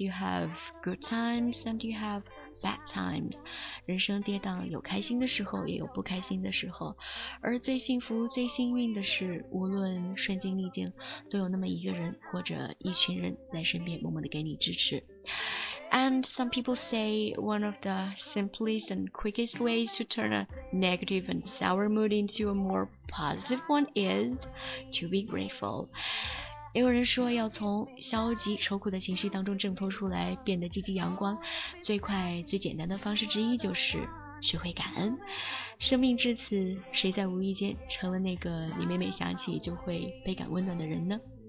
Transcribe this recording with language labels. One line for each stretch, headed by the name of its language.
English: You have good times and you have bad times.
Chinese: 人生跌宕，有开心的时候，也有不开心的时候。而最幸福、最幸运的是，无论顺境逆境，都有那么一个人或者一群人在身边默默地给你支持。
English: And some people say one of the simplest and quickest ways to turn a negative and sour mood into a more positive one is to be grateful.
Chinese: 也有人说，要从消极愁苦的情绪当中挣脱出来，变得积极阳光，最快最简单的方式之一就是学会感恩。生命至此，谁在无意间成了那个你每每想起就会倍感温暖的人呢？